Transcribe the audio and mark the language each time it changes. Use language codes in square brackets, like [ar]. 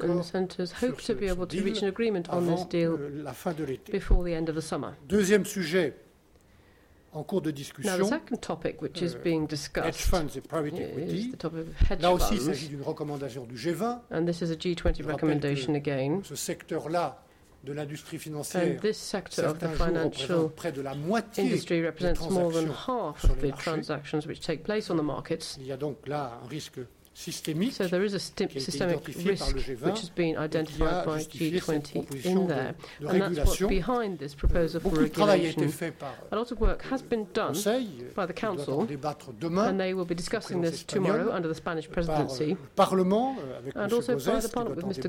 [en] and the senators hope to be able to reach an agreement on this deal [fr] la fin de l'été. [en] Before the end of the summer. [fr] Deuxième sujet. En cours de discussion, [en] now, the second topic which is being discussed hedge funds and private equity. Is the topic of hedge funds. [fr] Là aussi, il s'agit d'une recommandation du G20. [en] And this is a G20 recommendation again. [fr] Ce secteur-là de l'industrie financière, [en] and this sector of the financial [fr] près de la moitié [en] industry represents more than half of the transactions which take place on the markets. [fr] Il y a donc là un risque systémique, [en] so there is a systemic risk which has been identified by G20 in there. And that's what's behind this proposal for regulation. A lot of work has been done by the Council, and they will be discussing this tomorrow under the Spanish presidency, and also by the Parliament with Mr.